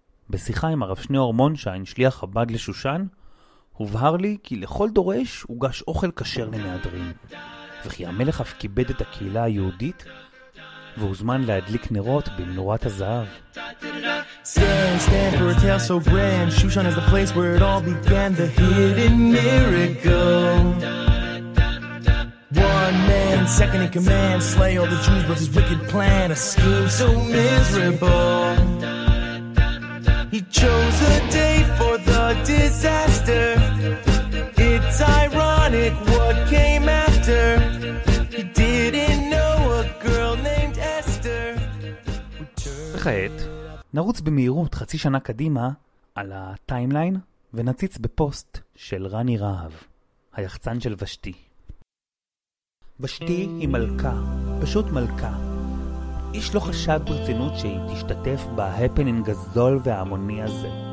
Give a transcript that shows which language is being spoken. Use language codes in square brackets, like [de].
[he] בשיחה עם הרב שניאור מונשיין, שליח חב"ד לשושן, הובהר לי כי לכל דורש הוגש אוכל כשר למהדרין, וכי המלך אף כיבד את הקהילה היהודית והוזמן להדליק נרות במנורת הזהב. [en] Stand for a tale so grand. Shushan is the place where it all began. The hidden miracle. One man, second in command. Slay all the Jews with his wicked plan. A scheme so miserable. He chose a day for the disaster. It's ironic what came after. He didn't know a girl named Esther. [he] וכעת נרוץ במהירות חצי שנה קדימה על הטיימליין ונציץ בפוסט של רני רהב, היחצן של ושתי. ושתי היא מלכה, פשוט מלכה. איש לא חשד ברצינות שהיא תשתתף בהפנינג הזול וההמוני הזה.